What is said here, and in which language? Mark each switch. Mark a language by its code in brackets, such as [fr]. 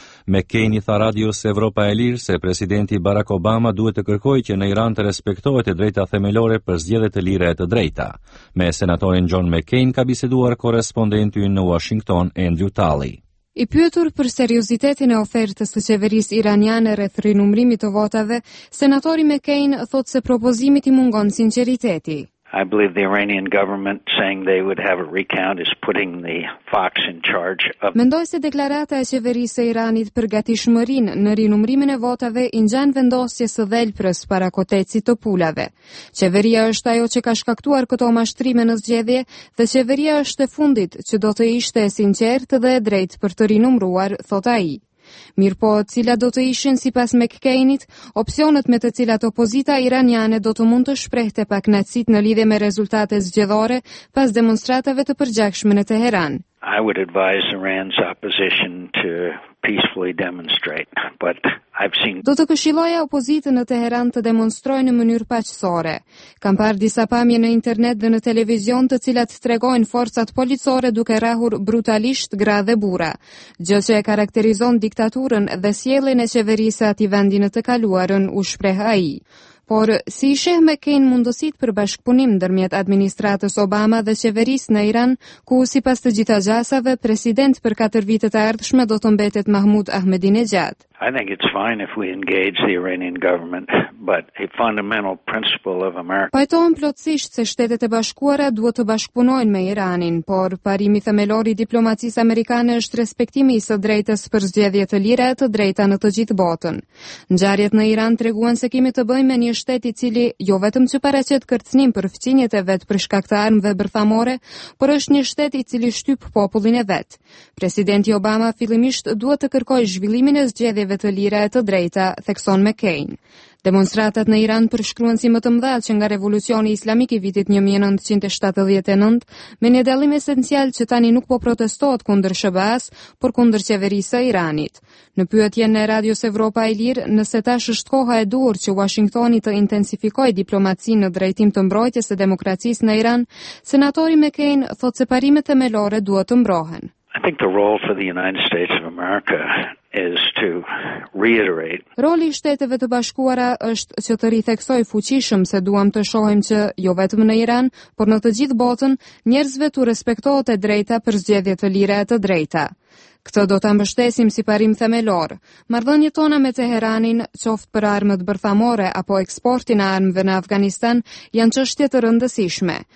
[sq] McCain i tha radios Evropa e Lirë se presidenti Barack Obama duhet të kërkojë që në Iran të respektohet e drejta themelore për zgjedhjet e lira e të drejta. Me senatorin John McCain ka biseduar korrespondenti në Washington Andrew Talley. I pyetur për seriozitetin e ofertës të qeverisë iraniane rreth rinumrimit të votave, senatori McCain thot se propozimit i mungon sinqeriteti. [en] I believe the Iranian government saying they would have a recount is putting the fox in charge of... [sq] Mendoj se deklarata e qeverisë së Iranit për gatishmërinë në rinumrimin e votave i ngjan vendosjes së dhelprës para kotecit të pulave. Qeveria është ajo që ka shkaktuar këto mashtrime në zgjedhje dhe qeveria është e fundit që do të ishte e sinqertë dhe e drejtë për të rinumruar, thot ai. Mirpo, cila do të ishin sipas McCainit, opsionet me të cilat opozita iraniane do të mund të shprehte pak paknacit në lidhje me rezultate zgjedhore pas demonstratave të përgjakshme në Teheran. [en] I would advise Iran's opposition to peacefully demonstrate, but I've seen... [sq] Do të këshilloja opozitën në Teheran të demonstrojë në mënyrë paqësore. Kam parë disa pamje në internet dhe në televizion të cilat tregojnë forcat policore duke rrahur brutalisht gra dhe burra, gjë që e karakterizon diktaturën dhe sjelljen e qeverisë aty vendin të kaluarën, u shpreh ai. Por, si i sheh McCain mundësit për bashkëpunim ndërmjet administratës Obama dhe qeverisë në Iran, ku sipas të gjitha gjasave, president për 4 vitet e ardhshme do të mbetet Mahmud Ahmadinejad. [en] I think it's fine if we engage the Iranian government, but a fundamental principle of America. [sq] Pajtohen plotësisht se Shtetet e Bashkuara duhet të bashkëpunojnë me Iranin, por parimi themelor i diplomacisë amerikane është respektimi i së drejtës për zgjedhje të lira e të drejta në të gjithë botën. Ngjarjet në Iran treguan se kemi të bëjmë me një shtet i cili jo vetëm që paraqet kërcënim për fqinjet e vet për shkak të armëve bërthamore, por është një shtet i cili shtyp popullin e vet. Presidenti Obama fillimisht duhet të kërkojë zhvillimin e zgjedhjeve dhe të lira e të drejta, thekson McCain. Demonstratat në Iran përshkruan si më të mëdha që nga revolucioni islamik i vitit 1979, me një dallim esencial që tani nuk po protestohet kundër SBA-s, por kundër qeverisë së Iranit. Në pyetjen e Radios Evropa e Lirë, nëse tash është koha e duhur që Washingtoni të intensifikojë diplomacinë në drejtim të mbrojtjes së demokracisë në Iran, senatori McCain thotë se parimet themelore duhet të mbrohen. [en] I think the role for the United States of America is to reiterate. [sq] Roli i Shteteve të Bashkuara është që të ritheksoj fuqishëm se duam të shohim që jo vetëm në Iran, por në të gjithë botën, njerëzve tu respektohet e drejta për zgjedhje të lira e të drejta. Këtë do ta mbështesim si parim themelor. Marrëdhëniet tona me Teheranin, qoftë për armët bërthamore apo eksportin e armëve në Afganistan, janë çështje të rëndësishme.